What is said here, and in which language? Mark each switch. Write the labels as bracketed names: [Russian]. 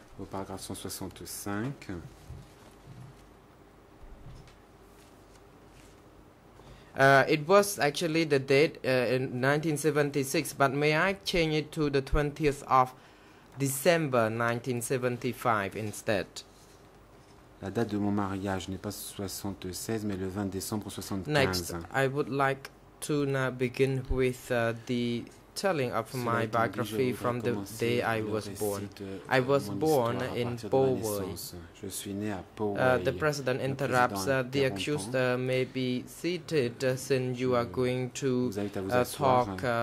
[French] Au paragraphe 165. [English] It was actually the date in 1976, but may I change it to the 20th of December 1975 instead? [French] La date de mon mariage n'est pas 76, mais le 20 décembre 75. [English] Next, I would like to now begin with the telling of c'est my biography from the day I was born. I was born in Poway. [French] Je suis né à Poway. [English] The president interrupts. The accused may be seated since you are going to talk